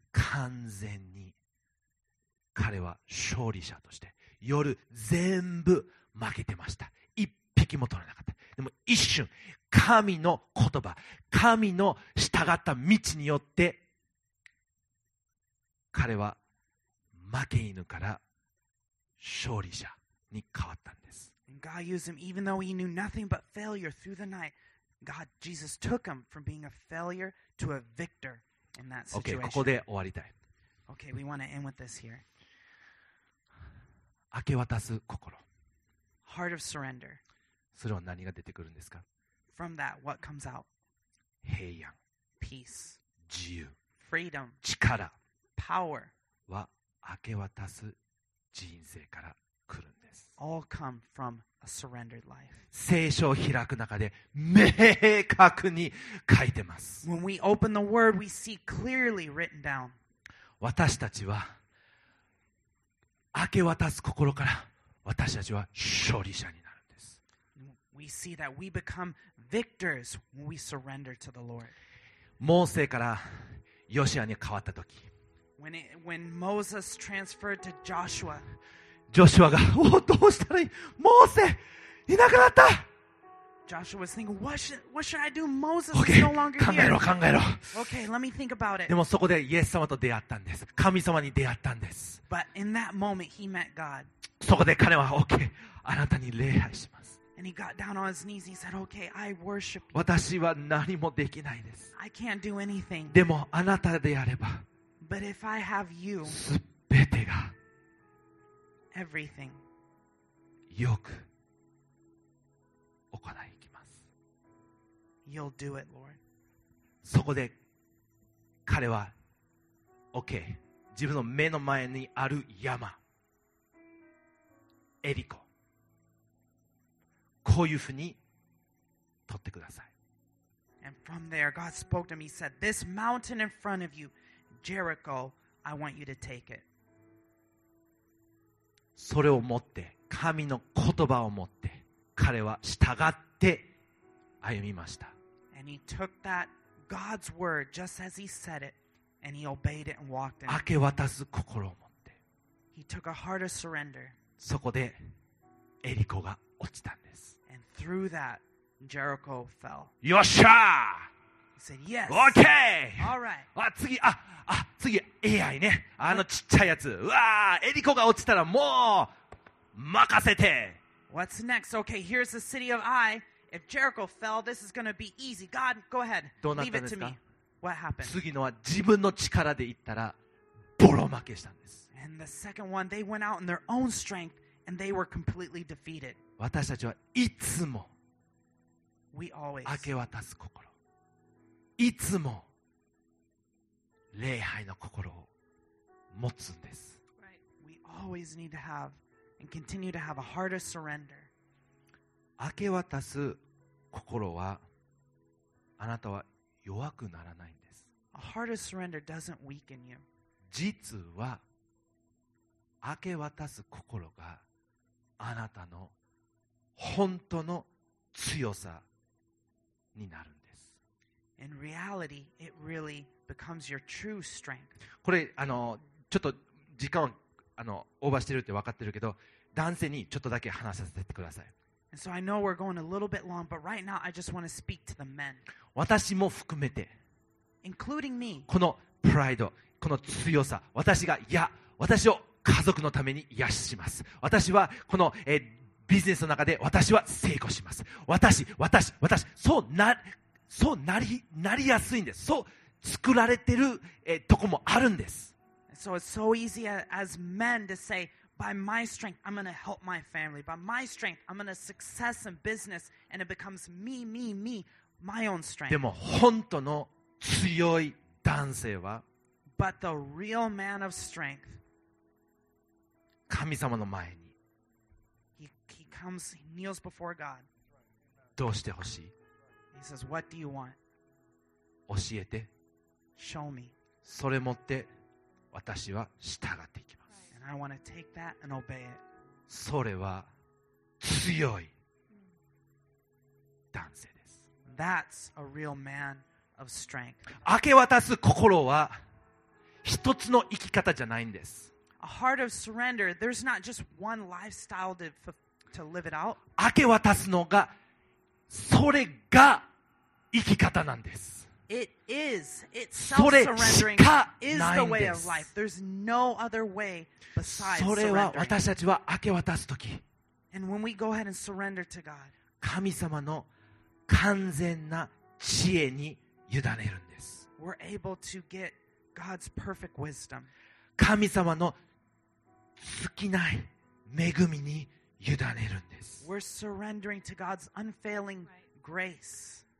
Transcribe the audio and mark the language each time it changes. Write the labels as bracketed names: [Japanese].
[Japanese] 完全に彼は勝利者として夜全部負けてました。一匹も取れなかった。でも一瞬神の言葉、神の従った道によって彼は負け犬から勝利者に変わったんです。 [English] God used him even though he knew nothing but failure through the night. God, Jesus took him from being a failure to a victor in that situation. [Japanese] Okay, ここで終わりたい。 [English] Okay, we want to end with this here. [Japanese] 明け渡す心。 [English] Heart of surrender. [Japanese] それは何が出てくるんですか? [English] From that, what comes out? [Japanese] 平安。 [English] Peace. [Japanese] 自由。 [English] Freedom. [Japanese] 力。 [English] Power. [Japanese] は明け渡す人生から来るんです。 [English] All come from a surrendered life. [Japanese] 聖書を開く中で明確に書いてます。 [English] When we open the word, we see clearly written down. [Japanese] 私たちは明け渡す心から私たちは勝利者になるんです。 [English] We see that we become victors when we surrender to the Lord. [Japanese] モーセからヨシアに変わった時。 [English] When Moses transferred to Joshua. [Japanese] ジョシュアが、おお、どうしたらいい? モーセ、いなくなった! [English] ジョシュア was thinking, what should I do? Moses is no longer here. [Japanese] 考えろ、考えろ。 [English] Okay, let me think about it. [Japanese] でもそこでイエス様と出会ったんです。神様に出会ったんです。 [English] But in that moment, he met God. [Japanese] そこで彼は、Okay, あなたに礼拝します。 [English] And he got down on his knees and he said, Okay, I worship you. [Japanese] 私は何もできないです。 [English] I can't do anything. [Japanese] でもあなたであれば、 [English] But if I have you, [Japanese] すべてが、 [English] Everything. [Japanese] よく行いきます。 [English] You'll do it, Lord. [Japanese] そこで彼は、OK、自分の目の前にある山、エリコ、こういうふうに取ってください。 [English] And from there, God spoke to him. He said, This mountain in front of you, Jericho, I want you to take it. [Japanese] それを持って神の言葉を持って彼は従って歩みました。 [English] And he took that God's word just as he said it and he obeyed it and walked in. [Japanese] 明け渡す心を持って。 [English] He took a heart of surrender. [Japanese] そこでエリコが落ちたんです。 [English] And through that, Jericho fell. [Japanese] よっしゃ [English] ー。 He said, yes. OK! All right. [Japanese] あ、次、あ、あ、次、AI ね。あのちっちゃいやつ。うわー、エリコが落ちたらもう、任せて。 [English] What's next? Okay, here's the city of Ai. If Jericho fell, this is gonna be easy. God, go ahead. [Japanese] どうなったんですか? [English] What happened? [Japanese] 次のは自分の力で行ったら、ボロ負けしたんです。 [English] And the second one, they went out in their own strength, and they were completely defeated. [Japanese] 私たちはいつも、 [English] We always [Japanese] 明け渡す心、いつも礼拝の心を持つんです。 [English] Right. We always need to have and continue to have a heart of surrender. [Japanese] 明け渡す心はあなたは弱くならないんです。 [English] A heart of surrender doesn't weaken you. [Japanese] 実は明け渡す心があなたの本当の強さ。になるんです。 [English] In reality, it really becomes your true strength. [Japanese] これちょっと時間オーバーしてるって分かってるけど、男性にちょっとだけ話させてください。 [English] And so I know we're going a little bit long, but right now I just want to speak to the men. [Japanese] 私も含めて、 [English] including me. [Japanese] このプライド、この強さ、私がいや、私を家族のために癒します。私はこの、ビジネスの中で私は成功します。私、私、私、そうなりやすいんです。そう作られてる、とこもあるんです。 [English] So it's so easy as men to say, by my strength, I'm going to help my family. By my strength, I'm going to success in business. And it becomes me, me, me, my own strength. [Japanese] でも本当の強い男性は、 [English] But the real man of strength, [Japanese] 神様の前に、 [English] Comes, he kneels before God. [Japanese] どうしてほしい? [English] He says, "What do you want?" [Japanese] 教えて。 [English] Show me. [Japanese] それ持って私は従っていきます。 [English] And I want to take that and obey it. [Japanese] それは強い男性です。 [English] That's a real man of strength. [Japanese] 明け渡す心は一つの生き方じゃないんです。 [English] A heart of surrender. There's not just one lifestyle to fulfill. To live it out. [Japanese] 明け渡すのがそれが生き方なんです。 [English] It is. It self-surrendering is the way of life. There's no other way besides surrendering. [Japanese] それは私たちは明け渡すとき、 [English] And when we go ahead and surrender to God, [Japanese] 神様の完全な知恵に委ねるんです。 [English] We're able to get God's perfect wisdom. [Japanese] 神様の尽きない恵みに委ねるんです。 [English] We're surrendering to God's unfailing grace.